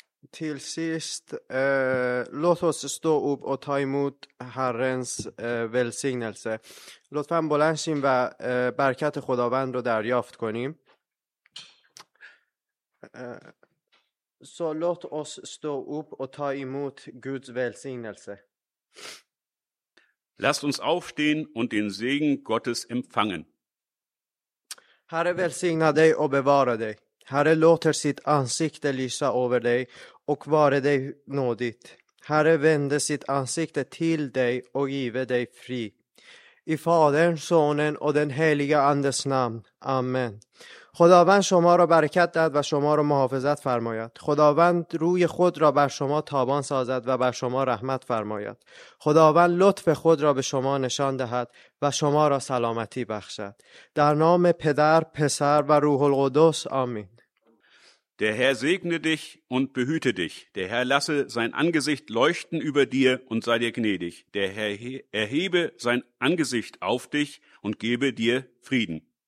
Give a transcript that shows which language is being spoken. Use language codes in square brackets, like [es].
[sv] Till sist, låt oss stå upp och ta emot Herrens välsignelse. [fa] Låt fram bolanshim va barakat khodavand ro daryaft konim. [sv] Så låt oss stå upp och ta emot Guds välsignelse. [de] Lasst uns aufstehen und den Segen Gottes empfangen. [sv] Herre välsigna dig och bevara dig. Herre låter sitt ansikte lysa över dig och vare dig nådigt. Herre vänder sitt ansikte till dig och giver dig fri. I Faderns, Sonen och den heliga Andes namn. Amen. [fa] خداوند شما را برکت دهد و شما را محافظت فرماید. خداوند روی خود را بر شما تابان سازد و بر شما رحمت فرماید. خداوند لطف خود را به شما نشان دهد و شما را سلامتی بخشد. در نام پدر، پسر و روح القدس، آمین. [de] Der Herr segne dich und behüte dich. Der Herr lasse sein Angesicht leuchten über dir und sei dir gnädig. Der Herr erhebe sein Angesicht auf dich und gebe dir Frieden.